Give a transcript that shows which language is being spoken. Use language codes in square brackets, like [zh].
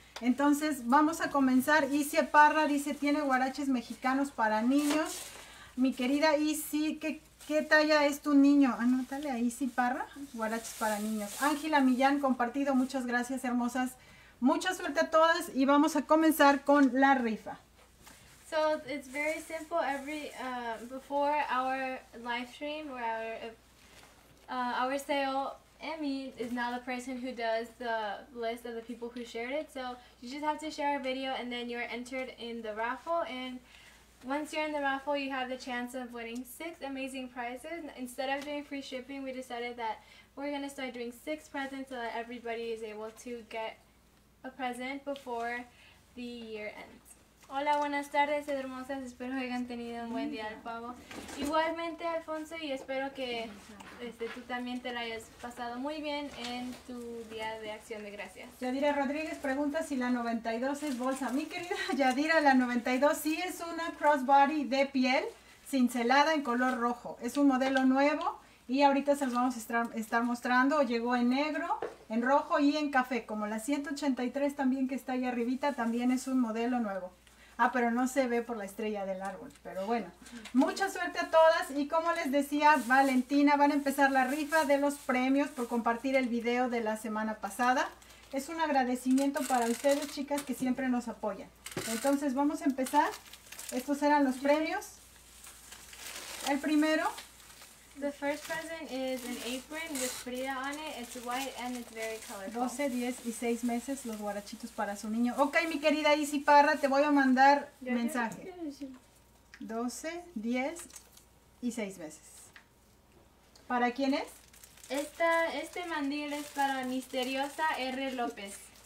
[es] Entonces, vamos a comenzar. Isie Parra dice, tiene guaraches mexicanos para niños. Mi querida Isie, ¿Qué talla es tu niño? Anótale ahí, sí, Parra. Guaraches para niños. Ángela Millán, compartido. Muchas gracias, hermosas. Mucha suerte a todas y vamos a comenzar con la rifa. [en] So, it's very simple. Before our live stream or our sale, Emmy is now the person who does the list of the people who shared it. So, you just have to share a video and then you're entered in the raffle and Once you're in the raffle, you have the chance of winning 6 amazing prizes. Instead of doing free shipping, we decided that we're going to start doing 6 presents so that everybody is able to get a present before the year ends. [es] Hola, buenas tardes, hermosas. Espero que hayan tenido un buen día al pavo. Igualmente, Alfonso, y espero que tú también te la hayas pasado muy bien en tu día de Acción de Gracias. Yadira Rodríguez pregunta si la 92 es bolsa. Mi querida Yadira, la 92 sí es una crossbody de piel cincelada en color rojo. Es un modelo nuevo y ahorita se los vamos a estar mostrando. Llegó en negro, en rojo y en café. Como la 183 también que está ahí arribita, también es un modelo nuevo. Ah, pero no se ve por la estrella del árbol. Pero bueno, mucha suerte a todas. Y como les decía Valentina, van a empezar la rifa de los premios por compartir el video de la semana pasada. Es un agradecimiento para ustedes, chicas, que siempre nos apoyan. Entonces, vamos a empezar. Estos eran los premios. El primero. [en] The first present is an apron with Frida on it. It's white and it's very colorful. [es] 12, 10 y 6 meses, los guarachitos para su niño. Ok, mi querida Isi Parra, te voy a mandar mensaje. 12, 10 y 6 meses. ¿Para quién es? Este mandil es para Misteriosa R. López.